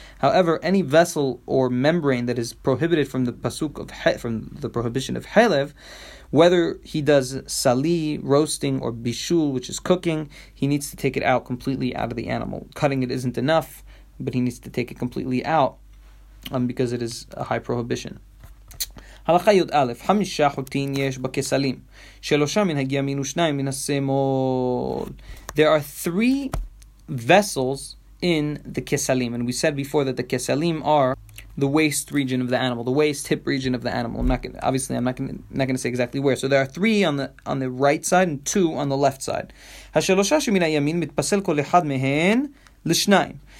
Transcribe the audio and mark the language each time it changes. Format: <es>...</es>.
<en>However, any vessel or membrane that is prohibited from the pasuk of from the prohibition of helev, whether he does sali, roasting, or bishul, which is cooking, he needs to take it out completely out of the animal. Cutting it isn't enough, but he needs to take it completely out, because it is a high prohibition.</en> <he>הלכה יוד א', חמישה חוטין יש בכסלים, שלושה מן הגיימין ושניים מן הסמול.</he> <en>There are three vessels in the kesalim, and we said before that the kesalim are the waist region of the animal, the waist hip region of the animal. I'm not going to say exactly where. So there are three on the right side and two on the left side.</en> <he>השלושה שמן הימין מתפסל כל אחד מהן לשניים.</he>